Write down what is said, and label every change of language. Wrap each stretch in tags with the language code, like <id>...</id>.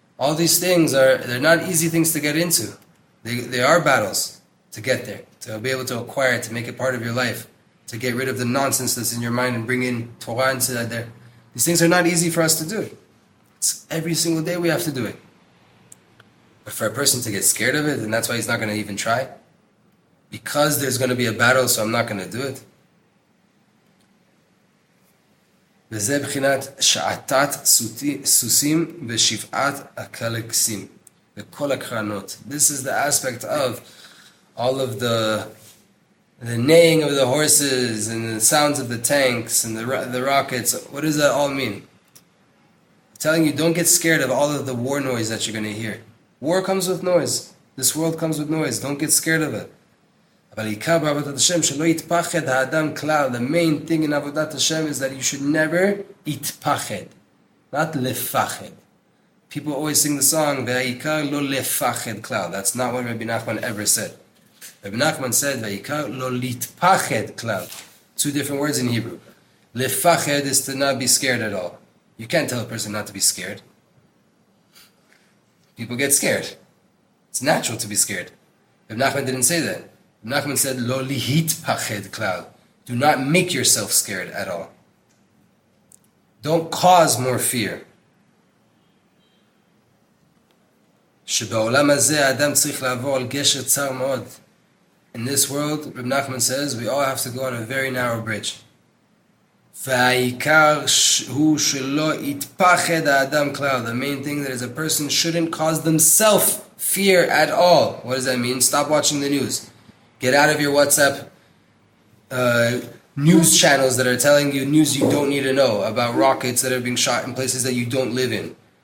<en>All these things, they're not easy things to get into. They are battles to get there, to be able to acquire it, to make it part of your life, to get rid of the nonsense that's in your mind and bring in Torah into that there. These things are not easy for us to do. It's every single day we have to do it. But for a person to get scared of it, and that's why he's not going to even try, because there's going to be a battle, so I'm not going to do it.</en> <he>וזה בחינת שעתת סוסים ושבעת הקלקסים. וכל הקרנות.</he> <en>This is the aspect of all of the neighing of the horses and the sounds of the tanks and the rockets. What does that all mean? I'm telling you, don't get scared of all of the war noise that you're going to hear. War comes with noise. This world comes with noise. Don't get scared of it.</en> <he>אבל עיקר בעבודת השם שלא יתפחד האדם כלל.</he> <en>The main thing in עבודת השם is that you should never יתפחד. Not לפחד. People always sing the song,</en> <he>והעיקר לא לפחד כלל.</he> <en>That's not what Rabbi Nachman ever said. Rabbi Nachman said,</en> <he>והעיקר לא להתפחד כלל.</he> <en>Two different words in Hebrew. לפחד is to not be scared at all. You can't tell a person not to be scared. People get scared. It's natural to be scared. Rabbi Nachman didn't say that. Rabbi Nachman said,</en> <he>לא להתפחד כלל.</he> <en>Do not make yourself scared at all. Don't cause more fear.</en> <he>שבעולם הזה האדם צריך לעבור על גשר צר מאוד.</he> <en>In this world, Rabbi Nachman says, we all have to go on a very narrow bridge.</en> <he>והעיקר הוא שלא יתפחד האדם כלל.</he> <en>The main thing that is a person shouldn't cause themselves fear at all. What does that mean? Stop watching the news. Get out of your WhatsApp news channels that are telling you news you don't need to know about rockets that are being shot in places that you don't live in.</en>